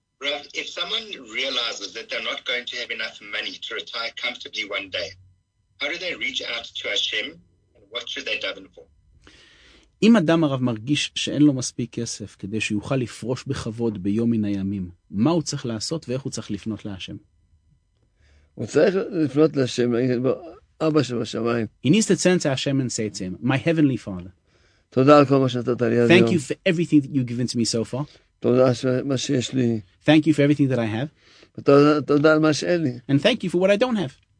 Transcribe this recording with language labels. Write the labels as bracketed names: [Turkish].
[English] Rav, if someone realizes that they're not going to have enough money to retire comfortably one day, how do they reach out to Hashem, and what should they daven for? [Hebrew] אם אדם הרב מרגיש שאין לו מספיק כסף כדי שיוכל לפרוש בכבוד ביום מן הימים, מה הוא צריך לעשות ואיך הוא צריך לפנות להשם? הוא צריך לפנות להשם, אבא של השמיים. [English] He needs to turn to Hashem and say to him, my heavenly father. [Hebrew] תודה על כל מה שנתת לי. [English] Thank you for everything that you've given to me so far. [Hebrew] תודה על מה שיש לי. [English] Thank you for everything that I have. [Hebrew] תודה על מה שאין לי. [English] And thank you for what I don't have.